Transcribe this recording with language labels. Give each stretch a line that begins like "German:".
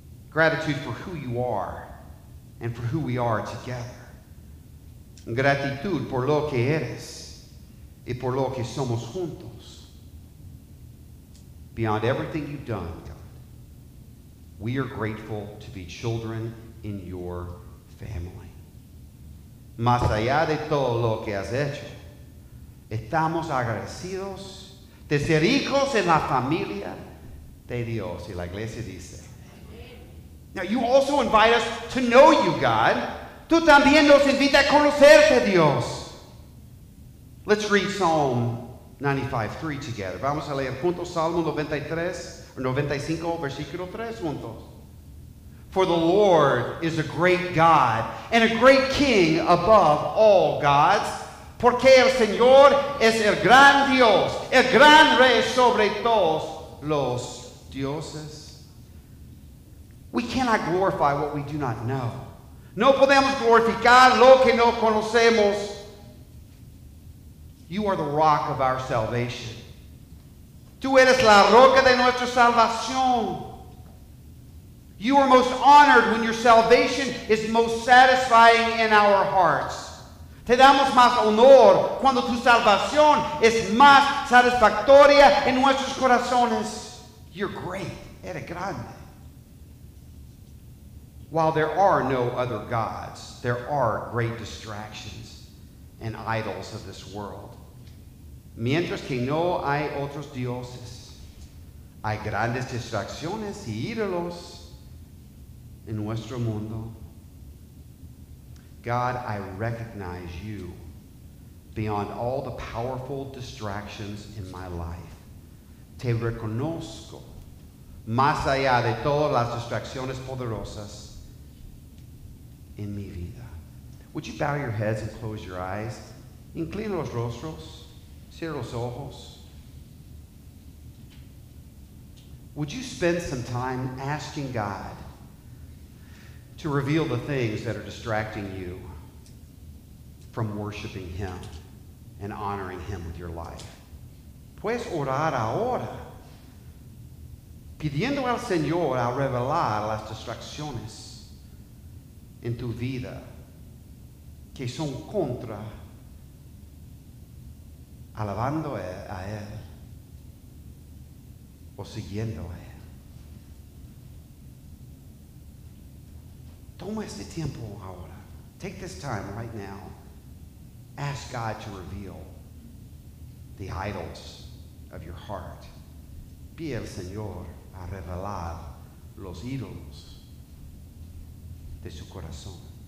English: Gratitude for who you are and for who we are together.
Spanish: Gratitud por lo que eres y por lo que somos juntos.
English: Beyond everything you've done, we are grateful to be children in your family.
Spanish: Más allá de todo lo que has hecho, estamos agradecidos de ser hijos en la familia de Dios. Y la iglesia dice.
English: Now you also invite us to know you, God.
Spanish: Tú también nos invitas a conocerte, Dios.
English: Let's read Psalm 95:3 together.
Spanish: Vamos a leer juntos Salmo 95, versículo 3, juntos.
English: For the Lord is a great God and a great King above all gods.
Spanish: Porque el Señor es el gran Dios, el gran Rey sobre todos los dioses.
English: We cannot glorify what we do not know.
Spanish: No podemos glorificar lo que no conocemos.
English: You are the rock of our salvation.
Spanish: Tú eres la roca de nuestra salvación.
English: You are most honored when your salvation is most satisfying in our hearts.
Spanish: Te damos más honor cuando tu salvación es más satisfactoria en nuestros corazones.
English: You're great.
Spanish: Eres grande.
English: While there are no other gods, there are great distractions and idols of this world.
Spanish: Mientras que no hay otros dioses, hay grandes distracciones y ídolos en nuestro mundo.
English: God, I recognize you beyond all the powerful distractions in my life.
Spanish: Te reconozco más allá de todas las distracciones poderosas en mi vida.
English: Would you bow your heads and close your eyes?
Spanish: Inclina los rostros. Cierra los ojos.
English: Would you spend some time asking God to reveal the things that are distracting you from worshiping Him and honoring Him with your life?
Spanish: Puedes orar ahora, pidiendo al Señor a revelar las distracciones en tu vida que son contra alabando a él o siguiendo a él. Toma este tiempo ahora.
English: Take this time right now. Ask God to reveal the idols of your heart.
Spanish: Pide al Señor a revelar los ídolos de su corazón.